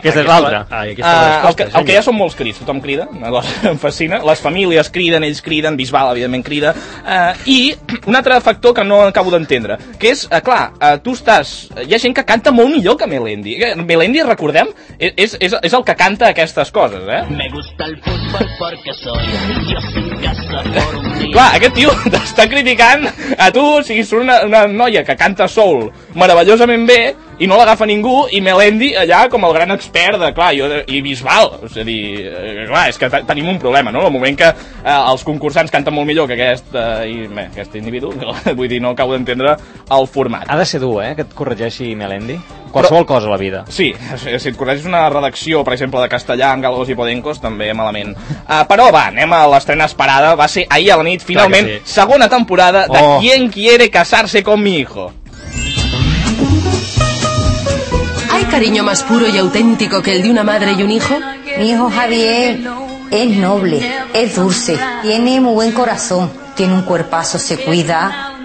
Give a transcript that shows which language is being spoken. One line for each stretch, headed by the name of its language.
Catalan: aquesta és l'altra. El que ja són molts crits, tothom crida, una cosa que em fascina. Les famílies criden, ells criden, Bisbal, evidentment, crida. I un altre factor que no acabo d'entendre, que és, clar, tu estàs... Hi ha gent que canta molt millor que Melendi. Melendi, recordem, és el que canta aquestes coses, eh?
Spanish: Me gusta el fútbol porque soy yo sin casa por un día.
Catalan: Clar, aquest tio t'està criticant a tu, o sigui, surt una noia que canta soul meravellosament bé i no l'agafa ningú, i Melendi allà com el gran expert de, clar, i Bisbal, és a dir, clar, és que tenim un problema, no? El moment que els concursants canten molt millor que aquest individu, vull dir, no acabo d'entendre el format. Ha de ser dur, que et corregeixi Melendi, qualsevol cosa a la vida. Sí, si et corregeixis una redacció, per exemple, de castellà amb Galgos i Podencos, també malament. Però va, anem a l'estrena esperada, va ser ahir a la nit, finalment, sí. Segona temporada de ¿Quién quiere casarse con mi hijo?
Spanish: ¿Hay cariño más puro y auténtico que el de una madre y un hijo? Mi hijo Javier es noble, es dulce, tiene muy buen corazón, tiene un cuerpazo, se cuida.